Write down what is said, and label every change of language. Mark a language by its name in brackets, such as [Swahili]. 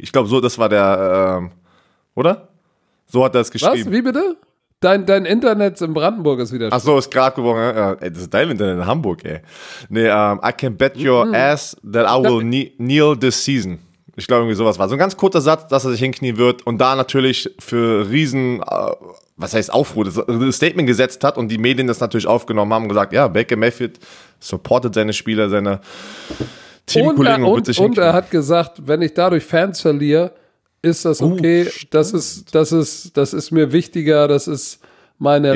[German] Ich glaube, so das war der, oder? So hat er es geschrieben. Was, wie bitte? Dein Internet in Brandenburg ist wieder schön. Ach so, ist gerade geworden. Ja. Ey, das ist dein Internet in Hamburg, ey. [English] I can bet your ass that I will kneel this season. [German] Ich glaube, irgendwie sowas war. So ein ganz kurzer Satz, dass er sich hinknien wird und da natürlich für Riesen, was heißt Aufruhr, das Statement gesetzt hat und die Medien das natürlich aufgenommen haben und gesagt, ja, Baker Mayfield supportet seine Spieler, seine Teamkollegen und wird sich hinknien. Und er hat gesagt, wenn ich dadurch Fans verliere, ist das okay, das ist mir wichtiger, das ist meine